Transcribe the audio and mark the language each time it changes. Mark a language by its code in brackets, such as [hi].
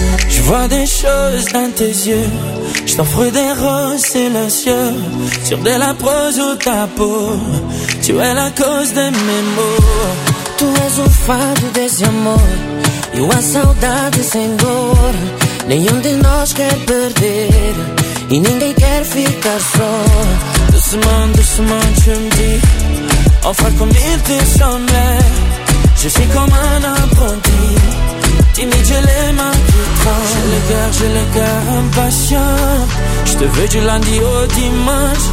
[fr] Je vois des choses dans tes yeux. Je t'offre des roses silencieux sur de la prose ou ta peau. Tu es la cause de mes maux. [pt] Tu es un fado desse amor e uma saudade sem dor. Nenhum de nós quer perder e ninguém quer ficar só. [fr] Doucement, tu me dis, au fond combien tu sonnes. Je suis comme un apprenti. Timide, j'ai les mains qui tremblent. J'ai le cœur impatient. Je te veux du lundi au dimanche.